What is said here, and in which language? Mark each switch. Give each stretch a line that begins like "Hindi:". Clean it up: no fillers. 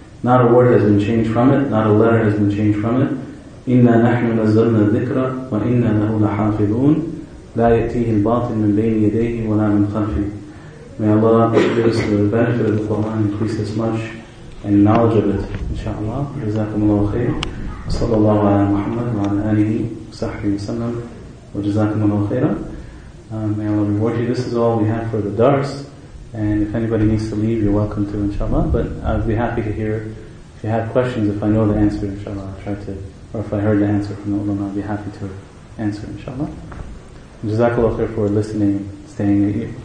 English: Not a word has been changed from it, not a letter has been changed from it.
Arabic: إِنَّا نَحْنُ نَزَّلْنَا الذِّكْرَ وَإِنَّا لَهُ لَحَافِظُونَ لَا يَتِيهِ الْبَاطِلُ مِنْ بَيْنِ يَدَيْهِ وَلَا مِنْ خَلْفِهِ.
English: May Allah give us the benefit of the Qur'an, increase us much, and knowledge of it, inshaAllah.
Arabic: جزاكم الله خير. صلى الله على محمد وعلى آله وصحبه وسلم وجزاكم الله خيرا.
English: May Allah reward you. This is all we have for the dars, and if anybody needs to leave, you're welcome to, inshallah. But I'd be happy to hear if you have questions. If I know the answer, inshallah, I'll try to, or if I heard the answer from the ulama, I'll be happy to answer, inshallah.
Arabic: جزاك الله خير
English: for listening, staying.